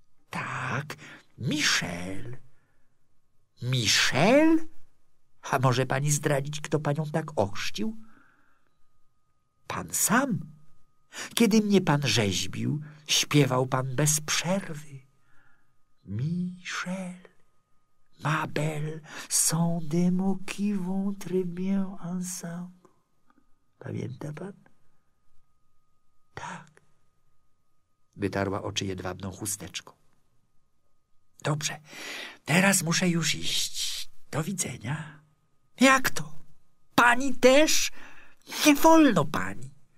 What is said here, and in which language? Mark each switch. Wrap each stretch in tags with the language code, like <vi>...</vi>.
<pl>Tak, Michel. Michel? A może pani zdradzić, kto panią tak ochrzcił? Pan sam. Kiedy mnie pan rzeźbił, śpiewał pan bez przerwy.</pl> <fr>Michel, ma belle, sont des mots qui vont très bien ensemble.</fr> <pl>Pamięta pan? Tak. Wytarła oczy jedwabną chusteczką. Dobrze, teraz muszę już iść. Do widzenia. Jak to? Pani też? Nie wolno pani.</pl>